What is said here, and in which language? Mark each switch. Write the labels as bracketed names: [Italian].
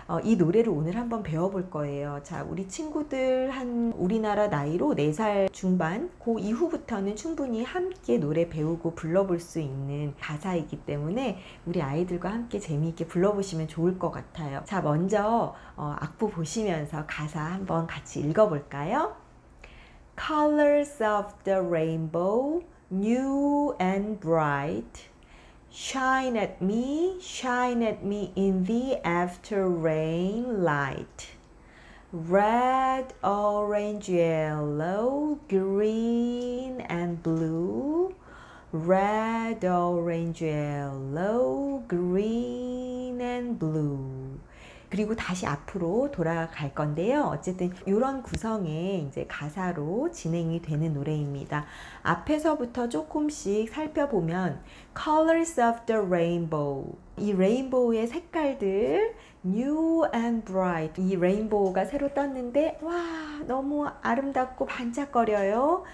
[Korean] 이 노래를 오늘 한번 배워볼 거예요. 자, 우리 친구들 한 우리나라 나이로 4살 중반 그 이후부터는 충분히 함께 노래 배우고 불러볼 수 있는 가사이기 때문에 우리 아이들과 함께 재미있게 불러보시면 좋을 것 같아요. 자, 먼저 악보 보시면서 가사 한번 같이 읽어볼까요? [English] Colors of the rainbow, new and bright, shine at me in the after rain light. Red, orange, yellow, green and blue. Red, orange, yellow, green and blue. [Korean] 그리고 다시 앞으로 돌아갈 건데요. 어쨌든 이런 구성의 이제 가사로 진행이 되는 노래입니다. 앞에서부터 조금씩 살펴보면 [English] Colors of the Rainbow, [Korean] 이 레인보우의 색깔들 [English] New and Bright, [Korean] 이 레인보우가 새로 떴는데 와 너무 아름답고 반짝거려요.